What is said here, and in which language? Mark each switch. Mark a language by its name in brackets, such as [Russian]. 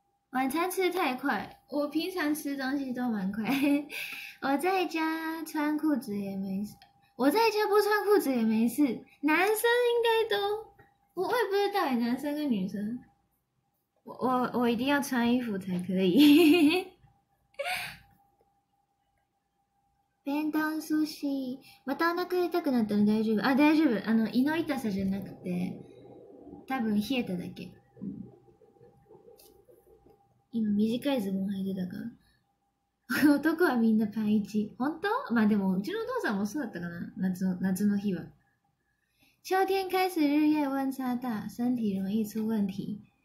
[Chinese] 晚餐吃太快，我平常吃东西都蛮快。我在家穿裤子也没事，我在家不穿裤子也没事。男生应该都，我也不知道，男生跟女生，我一定要穿衣服才可以。 [Japanese] 便当寿司、またお腹痛くなったの大丈夫？あ、大丈夫。あの胃の痛さじゃなくて、多分冷えただけ。今短いズボン履いてたから。男はみんなパンイチ。本当？まあでもうちのお父さんもそうだったかな。夏の日は。 [Chinese] 秋天開始日夜温差大、身体容易出問題。